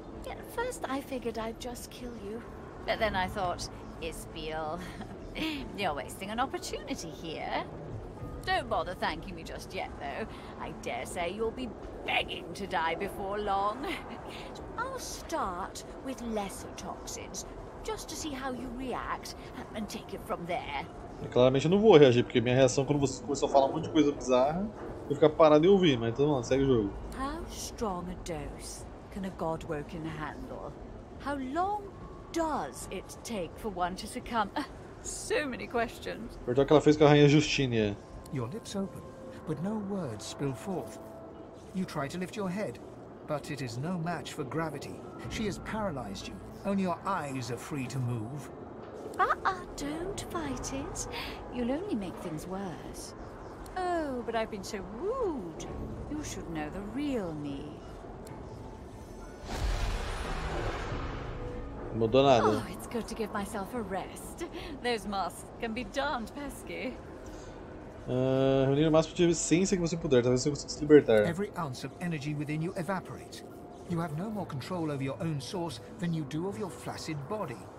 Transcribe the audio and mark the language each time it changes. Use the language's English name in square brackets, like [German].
[English] At first I figured I'd just kill you. But then I thought, Sbeil, you're wasting an opportunity here. Don't bother thanking me just yet, though. I dare say you'll be begging to die before long. I'll start with lesser toxins, just to see how you react, and take it from there. [Portuguese] Claramente eu não vou reagir, porque minha reação quando você começou a falar um monte de coisa bizarra, eu ficar parado e ouvir, mas então segue o jogo. [English] How strong a dose can a Godwoken handle? How long does it take for one to succumb? So many questions. [Portuguese] Perdoa que ela fez com a rainha Justinia. [English] Your lips open, but no words spill forth. You try to lift your head, but it is no match for gravity. She has paralyzed you. Only your eyes are free to move. Don't fight it. You'll only make things worse. Oh, but I've been so rude. You should know the real me. [Portuguese] Mudou nada. [English] Oh, it's good to give myself a rest. Those masks can be darned pesky. [Portuguese] Reunir o máximo de essência que você puder, talvez você consiga se libertar. [English] Every ounce of energy within you evaporates. You have no more control over your own source than you do of your flaccid body.